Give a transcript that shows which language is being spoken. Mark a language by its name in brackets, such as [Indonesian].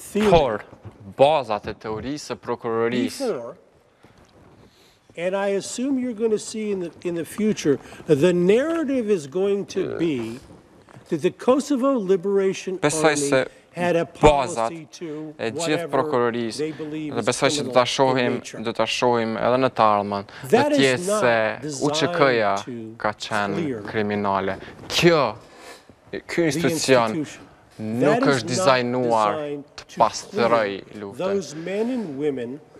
[Albanian] Por, bazat e teorisë së prokurorisë, [English] and I assume you're going to see in the future, the narrative is going to be that the Kosovo Liberation Army had a policy to whatever they believe is criminal. [Albanian] Dhe besoj që do të shohim edhe në të ardhmen, dhe tjetë se UÇK-ja ka qenë kriminale. Kjo institucion nuk është dizajnuar të pastëroj luftën.